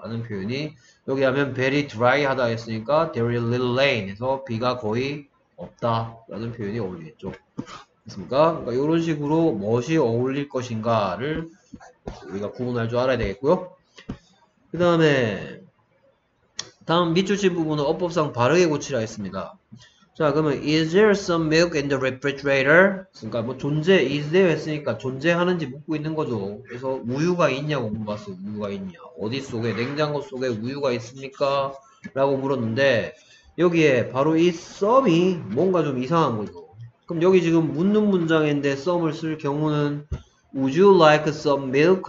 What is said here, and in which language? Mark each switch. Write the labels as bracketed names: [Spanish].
[Korean] 라는 표현이 여기 하면 [English] very dry [Korean] 하다 했으니까 [English] There is little rain [Korean] 해서 비가 거의 없다. 라는 표현이 어울리겠죠. 그렇습니까? 그러니까 이런 식으로 무엇이 어울릴 것인가를 우리가 구분할 줄 알아야 되겠고요. 그 다음에 다음 밑줄 친 부분은 어법상 바르게 고치라 했습니다. 자, 그러면 [English] is there some milk in the refrigerator? [Korean] 그러니까 뭐 존재 [English] is there [Korean] 했으니까 존재하는지 묻고 있는 거죠. 그래서 우유가 있냐고 물어봤어. 우유가 있냐? 어디 속에 냉장고 속에 우유가 있습니까? 라고 물었는데 여기에 바로 이 some이 뭔가 좀 이상한 거죠. 그럼 여기 지금 묻는 문장인데 some을 쓸 경우는 [English] Would you like some milk?